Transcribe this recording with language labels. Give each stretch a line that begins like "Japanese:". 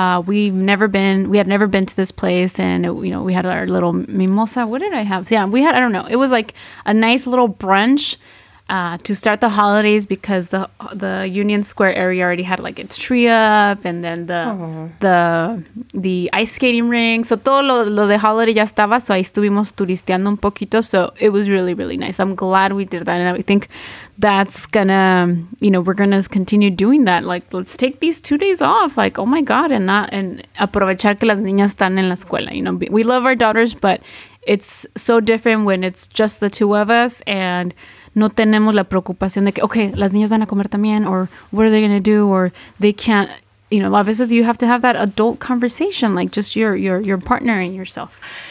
English: We had never been to this place. And, you know, we had our little mimosa. What did I have? Yeah, we had, I don't know. It was like a nice little brunch to start the holidays because the Union Square area already had like its tree up and then the ice skating rink.
Spanish: So todo lo de holiday ya estaba. So ahí estuvimos turisteando un poquito.
English: So it was really, really nice. I'm glad we did that. And I think that's gonna, you know, we're gonna continue doing that. Like, let's take these 2 days off. Like, oh my God.
Spanish: And aprovechar que las niñas están en la escuela.
English: You know, we love our daughters, but it's so different when it's just the two of us and no tenemos la preocupación de que, okay, las niñas van a comer también, or what are they going to do, or they can't, you know, a veces you have to have that adult conversation, like just your partner and yourself.